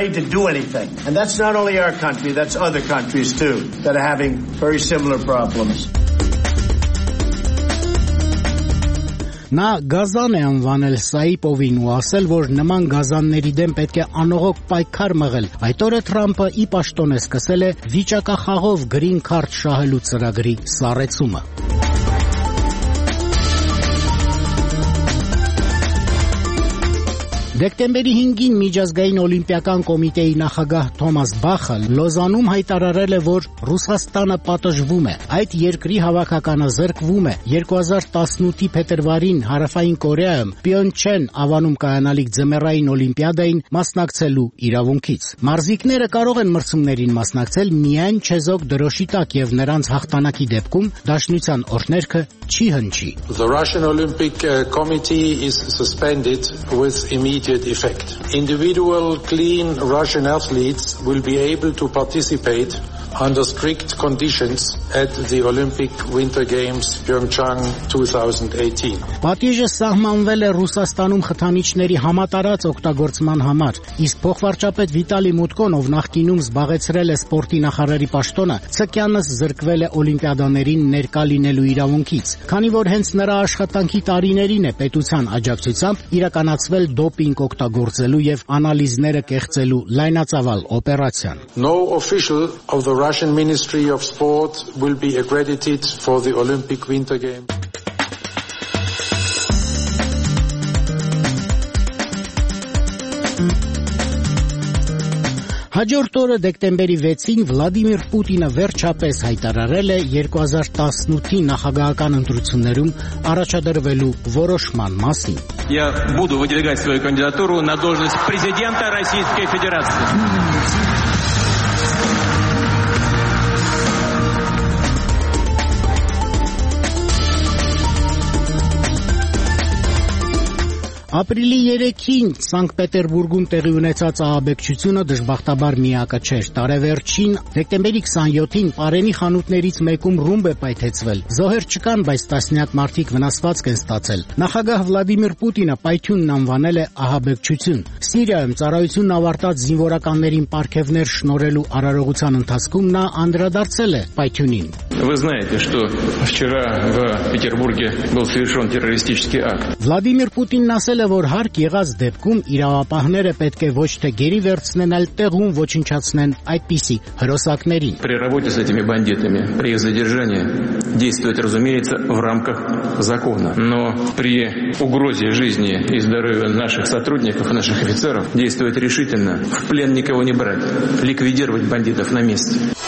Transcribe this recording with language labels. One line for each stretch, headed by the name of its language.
English: Not only our country, that's other countries too that are having very similar problems.
Armenian: Նա գազան է անվանել Սայիպովին ու ասել, որ նման գազանների դեմ պետք է անողոք պայքար մղել։ Այդ օրը Թրամփը ի պաշտոն է սկսել է վիճակախաղով գրին քարտ շահելու ծրագրի սառեցումը։ Դեկտեմբերի 5-ին միջազգային օլիմպիական կոմիտեի նախագահ Թոմաս Բախը Լոզանում հայտարարել է, որ Ռուսաստանը պատժվում է, այդ երկրի հավաքականը զրկվում է 2018-ի փետրվարին Հարավային Կորեայում Պյոնչեն ավանում կայանալիք ձմեռային օլիմպիադային մասնակցելու իրավունքից։ Մարզիկները կարող են մրցումներին մասնակցել միայն չեզոք դրոշի տակ եւ նրանց հաղթանակի դեպքում դաշնության օրհներգը չի հնչի։
English: The Russian Olympic Committee is suspended with immediate effect. Individual clean Russian athletes will be able to participate under strict conditions at the Olympic Winter Games Pyeongchang 2018.
Armenian: Պատիժը սահմանվել է Ռուսաստանում խթանիչների համատարած օգտագործման համար, իսկ փոխվարչապետ Վիտալի Մուտկոն, ով նախկինում զբաղեցրել է սպորտի նախարարի պաշտոնը, ցկյանս զրկվել է օլիմպիադաներին ներկա լինելու իրավունքից, քանի որ հենց նրա աշխատանքի տարիներին է պետության աջակցությամբ իրականացվել դոպինգ օգտագործելու եւ անալիզները կեղծելու լայնածավալ օպերացիան։
English: No official of the Russian Ministry of Sport will be accredited for the Olympic Winter Games.
Armenian: Հաջորդ օրը դեկտեմբերի 6-ին Վլադիմիր Պուտինը վերջապես հայտարարել է 2018-ի նախագահական ընտրություններում առաջադրվելու որոշման մասին։
Russian: Я буду выдвигать свою кандидатуру на должность президента Российской Федерации.
Armenian: Ապրիլի 3-ին Սանկտպետերբուրգում տեղի ունեցած ահաբեկչությունը դժբախտաբար միակը չէր։ Տարեվերջին, դեկտեմբերի 27-ին Պարենի խանութներից մեկում ռումբ է պայթեցվել։ Զոհեր չկան, բայց տասնյակ մարդիկ վնասվածք են ստացել։ Նախագահ Վլադիմիր Պուտինը պայթյունն անվանել է ահաբեկչություն։ Սիրիայում ծառայությունն ավարտած զինվորականներին պարգևներ շնորհելու արարողության ընթացքում նա անդրադարձել է պայթյունին։
Russian: Вы знаете, что вчера в Петербурге был совершён террористический акт.
Armenian: Владимир Путин ասել է, որ հարկ եղած դեպքում իրավապահները պետք է ոչ թե գերի վերցնեն, այլ տեղում ոչնչացնեն այդպիսի հրոսակներին։
Russian: При работе с этими бандитами, при их задержании действовать, разумеется, в рамках закона, но при угрозе жизни и здоровью наших сотрудников, наших офицеров действовать решительно, в плен никого не брать, ликвидировать бандитов на месте.